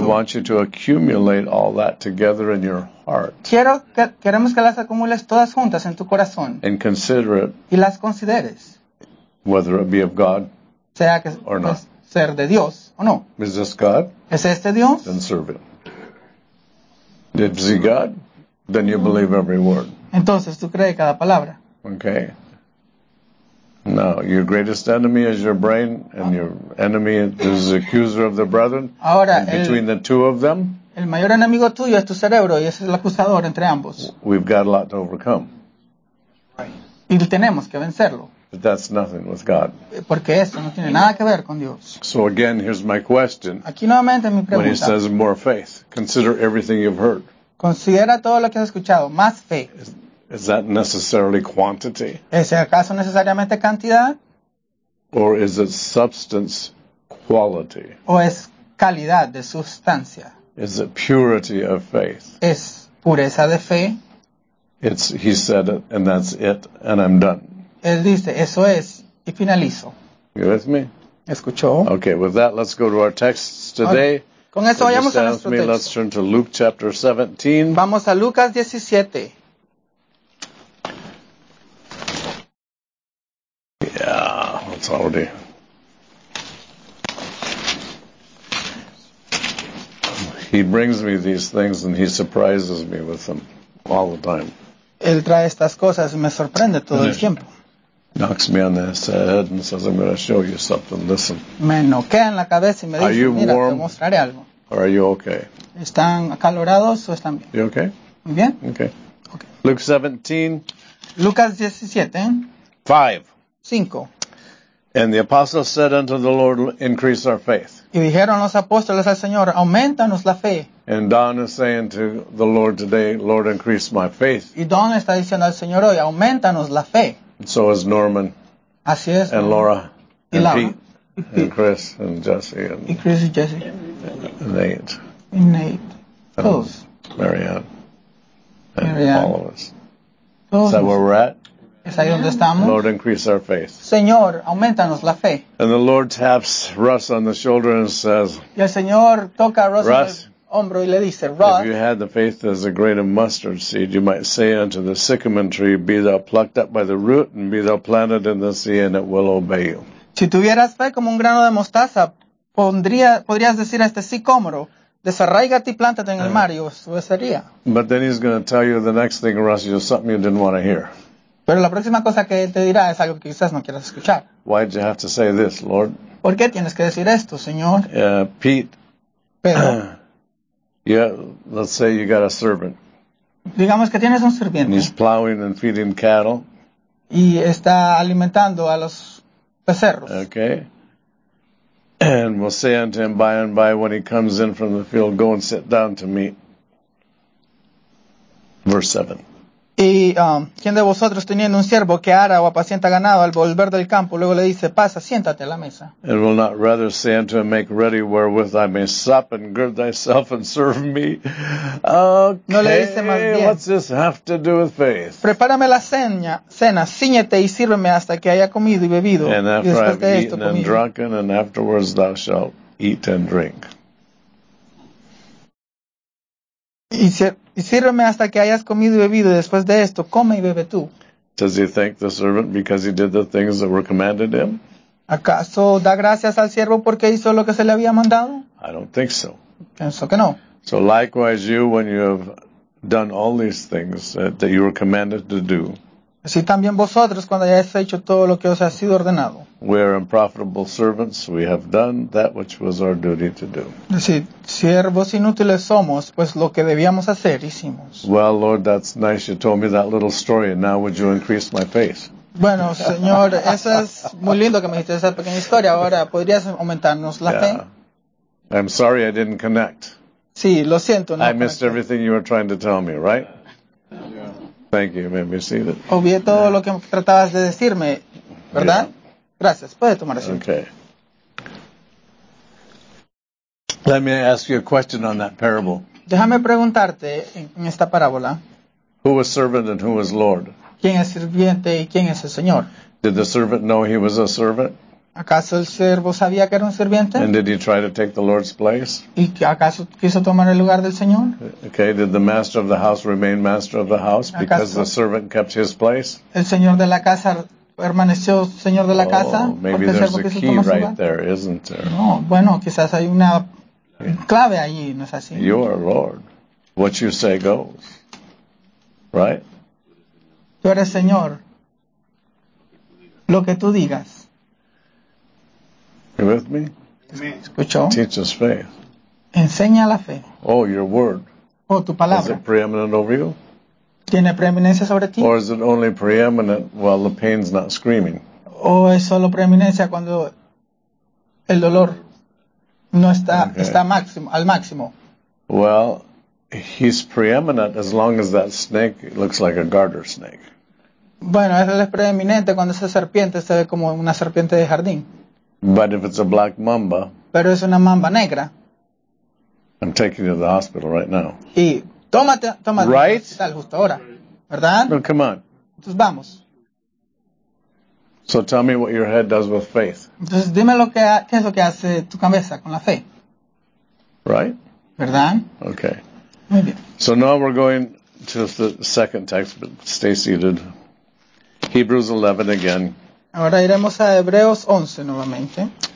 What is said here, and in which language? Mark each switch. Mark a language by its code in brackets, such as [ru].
[en] we want you to accumulate all that together in your heart, [es] queremos que las acumules todas juntas en tu corazón, [en] and consider it, [es] y las consideres, [en] whether it be of God, [es] sea que [en] or not, [es] ser de Dios o no, [en] is this God, [es] es este Dios, [en] then serve him. Is he God? Then you believe every word. [es] Entonces, tú crees cada palabra. [en] Okay. Now, your greatest enemy is your brain, and your enemy is the accuser of the brethren. [es] Ahora, [en] and between the two of them, [es] el mayor enemigo tuyo es tu cerebro, y ese es el acusador entre ambos. [en] We've got a lot to overcome. [es] Y tenemos que vencerlo. [en] But that's nothing with God. [es] Porque eso no tiene nada que ver con Dios. [en] So again, here's my question. [es] Aquí nuevamente mi pregunta. [en] When he says more faith, consider everything you've heard. [es] Considera todo lo que has escuchado, más fe. [en] Is that necessarily quantity? [es] ¿Es acaso necesariamente cantidad? [en] Or is it substance quality? [es] ¿O es calidad de sustancia? [en] Is it purity of faith? [es] ¿Es pureza de fe? [en] It's, he said it, and that's it, and I'm done. [es] Él dice, eso es, y finalizo. [en] You with me? [es] ¿Escuchó? [en] Okay, with that, let's go to our texts today. Okay. [es] Con eso vayamos a nuestro texto. [en] Let's turn to Luke chapter 17. [es] Vamos a Lucas 17. [en] Yeah, it's already. He brings me these things and he surprises me with them all the time. [es] Él trae estas cosas y me sorprende todo el tiempo. [en] Knocks me on the head and says, I'm going to show you something. Listen. [es] Me noquea en la cabeza y me dice, mira, te mostraré algo. [en] Or are you okay? [es] ¿Están acalorados o están bien? [en] You okay? [es] Muy bien. [en] Okay. Okay. Luke 17. [es] Lucas 17. [en] 5. And the apostles said unto the Lord, increase our faith. [es] Y dijeron los apóstoles al Señor, auméntanos la fe. [en] And Don is saying to the Lord today, Lord, increase my faith. [es] Y Don está diciendo al Señor hoy, auméntanos la fe. [en] And so is Norman. [es] Así es. [en] And Laura. [es] Y [en] and Laura. Pete. And Chris and Jesse. And Chris and Jesse. Nate. And Nate. [es] Todos. [en] Marianne. And Marianne. All of us. [es] Todos. [en] Is that where we're at? [es] ¿Es ahí donde estamos? [en] Lord, increase our faith. [es] Señor, aumentanos la fe. [en] And the Lord taps Russ on the shoulder and says, [es] y el Señor toca a Russ en el hombro y le dice, Russ, [en] if you had the faith as a grain of mustard seed, you might say unto the sycamore tree, be thou plucked up by the root and be thou planted in the sea and it will obey you. [es] Si tuvieras fe como un grano de mostaza, podrías decir a este sicómoro, desarráigate y plántate en el mar y os obedecería. [en] But then he's going to tell you the next thing, Russ, is something you didn't want to hear. [es] Pero la próxima cosa que te dirá es algo que quizás no quieras escuchar. [en] Why did you have to say this, Lord? [es] ¿Por qué tienes que decir esto, Señor? [en] Pete. [es] Pedro. [en] Yeah, let's say you got a servant. [es] Digamos que tienes un sirviente. [en] He's plowing and feeding cattle. [es] Y está alimentando a los becerros. [en] Okay. And we'll say unto him by and by when he comes in from the field, go and sit down to meat. Verse 7. [es] Y ¿quién de vosotros teniendo un siervo que ara o apacienta ganado al volver del campo luego le dice, pasa, siéntate a la mesa? [en] And will not rather say unto him, make ready wherewith I may sup and gird thyself and serve me? Okay, [es] no le dice más bien, [en] what's this have to do with faith? [es] Prepárame la cena, ciñete y sírveme hasta que haya comido y bebido. [en] And after I've eaten and drunken, and afterwards thou shalt eat and drink. [es] Y sírveme hasta que hayas comido y bebido. Después de esto, come y bebe tú. [en] Does he thank the servant because he did the things that were commanded him? [es] ¿Acaso da gracias al siervo porque hizo lo que se le había mandado? [en] I don't think so. [es] Pienso que no. [en] So likewise you, when you have done all these things that you were commanded to do. [es] Así también vosotros cuando hayáis hecho todo lo que os ha sido ordenado. [en] We are unprofitable servants. We have done that which was our duty to do. [es] Sí, siervos inútiles somos, pues lo que debíamos hacer hicimos. [en] Well, Lord, that's nice. You told me that little story, and now would you increase my faith? [es] Bueno, Señor, eso es muy lindo que me dijiste esa pequeña historia. Ahora, ¿podrías aumentarnos la fe? [en] I'm sorry, I didn't connect. [es] Sí, lo siento. No [en] I missed connecté. Everything you were trying to tell me, right? Yeah. Thank you. Made me see that. [es] Obvié todo lo que tratabas de decirme, ¿verdad? [en] Yeah. [es] Gracias. Puede tomar asiento. [en] Okay. Let me ask you a question on that parable. [es] Déjame preguntarte en esta parábola. [en] Who was servant and who was Lord? [es] ¿Quién es sirviente y quién es el Señor? [en] Did the servant know he was a servant? [es] ¿Acaso el siervo sabía que era un sirviente? [en] And did he try to take the Lord's place? [es] ¿Y acaso quiso tomar el lugar del Señor? [en] Okay, did the master of the house remain master of the house because the servant kept his place? [es] ¿El señor de la casa permaneció señor de la casa? [en] Oh, maybe there's a key right there, isn't there? [es] No, bueno, quizás hay una clave allí, ¿no es así? [en] You are Lord. What you say goes. Right? [es] Tú eres Señor. Lo que tú digas. [en] You with me? [es] ¿Escuchó? [en] Teach us faith. [es] Enseña la fe. [en] Oh, your word. [es] Oh, tu palabra. [en] Is it preeminent over you? [es] ¿Tiene preeminencia sobre ti? [en] Or is it only preeminent while the pain's not screaming? [es] ¿O es solo preeminencia cuando el dolor no está, okay, está máximo, al máximo? [en] Well, he's preeminent as long as that snake looks like a garter snake. [es] Bueno, él es preeminente cuando esa serpiente se ve como una serpiente de jardín. [en] But if it's a black mamba. [es] Pero es una mamba negra. [en] I'm taking you to the hospital right now. [es] Y tómate [en] right? [es] Tal justo ahora, ¿verdad? [en] No, come on. [es] Entonces vamos. [en] So tell me what your head does with faith. [es] Entonces dime lo que qué es lo que hace tu cabeza con la fe. [en] Right? [es] ¿Verdad? [en] Okay. [es] Muy bien. [en] So now we're going to the second text, but stay seated. Hebrews 11 again. [es] Ahora iremos a Hebreos 11 nuevamente.